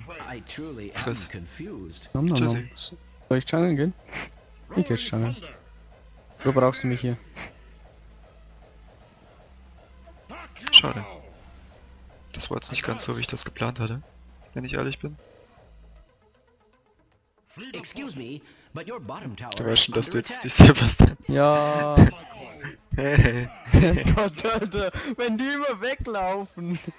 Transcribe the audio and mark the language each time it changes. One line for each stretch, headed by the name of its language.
English: I truly am confused.
German: Nom. Soll ich jungeln gehen? Ich geh jungeln. Wo brauchst du mich hier? Schade. Das war jetzt nicht ganz so, wie ich das geplant hatte. Wenn ich ehrlich bin.
English: Excuse me, but your bottom tower.
German: Du weißt schon, dass du jetzt dich selbst. Ja. Hey. Gott, Alter, wenn die immer weglaufen.